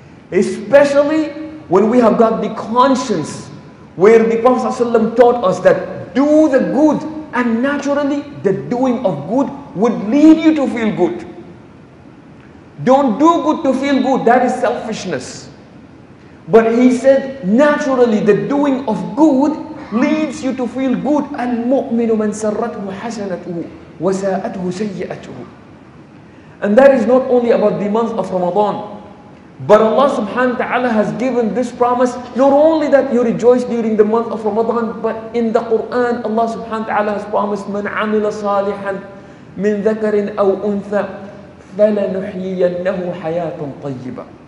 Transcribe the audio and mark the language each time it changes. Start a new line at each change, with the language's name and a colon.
English: Especially when we have got the conscience where the Prophet ﷺ taught us that do the good and naturally the doing of good would lead you to feel good. Don't do good to feel good, that is selfishness. But he said naturally the doing of good leads you to feel good.
Arabic: المؤمن من سرته حسنته وساءته سيئته.
English: And that is not only about the month of Ramadan. But Allah subhanahu wa ta'ala has given this promise, not only that you rejoice during the month of Ramadan, but in the Quran, Allah subhanahu wa ta'ala has promised,
Arabic: من عمل صالحا من ذكر أو أنثى فلنحيينه حياة طيبة.